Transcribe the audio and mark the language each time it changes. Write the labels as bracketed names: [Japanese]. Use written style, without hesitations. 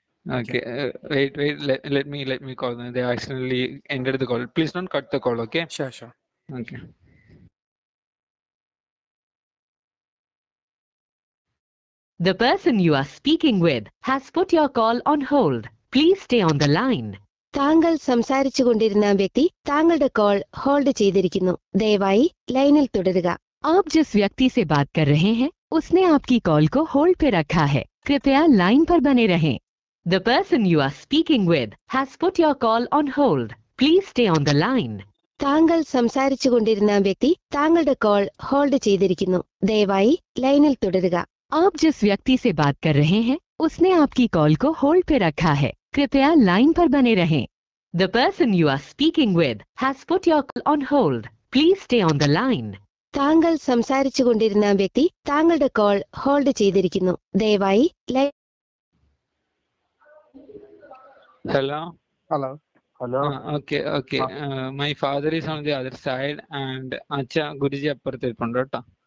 [English] Okay. Wait. Let me call them. They accidentally ended the call. Please don't cut the call. Okay. Sure. Okay. The person you are speaking with has put your call on hold. Please stay on the line. [Malayalam] താങ്കൾ സംസാരിച്ചു കൊണ്ടിരുന്ന വ്യക്തി താങ്കളുടെ call hold ചെയ്തിരിക്കുന്നു. ദയവായി ലൈനിൽ തുടരുക. [Hindi] आप जिस व्यक्ति से बात कर रहे हैं उसने आपकी कॉल को होल्ड पे रखा है. कृपया लाइन पर बने रहें. [English] The person you are speaking with has put your call on hold. Please stay on the line. [Malayalam] താങ്കൾ സംസാരിച്ചു കൊണ്ടിരുന്ന വ്യക്തി താങ്കളുടെ കോൾ ഹോൾഡ് ചെയ്തിരിക്കുന്നു. ദയവായി ലൈനിൽ തുടരുക. [Hindi] आप जिस व्यक्ति से बात कर रहे हैं उसने आपकी कॉल को होल्ड पे रखा है. कृपया लाइन पर बने रहें. [English] The person you are speaking with has put your call on hold. Please stay on the line. [Malayalam] താങ്കൾ സംസാരിച്ചു കൊണ്ടിരുന്ന വ്യക്തി താങ്കളുടെ കോൾ ഹോൾഡ് ചെയ്തിരിക്കുന്നു. ദയവായി ലൈ [English] Hello. Hello hello okay okay my father is on the other side and [Malayalam] അച്ഛ ഗുരുജി അപ്പുറത്തിരിപ്പുണ്ട് കേട്ടോ.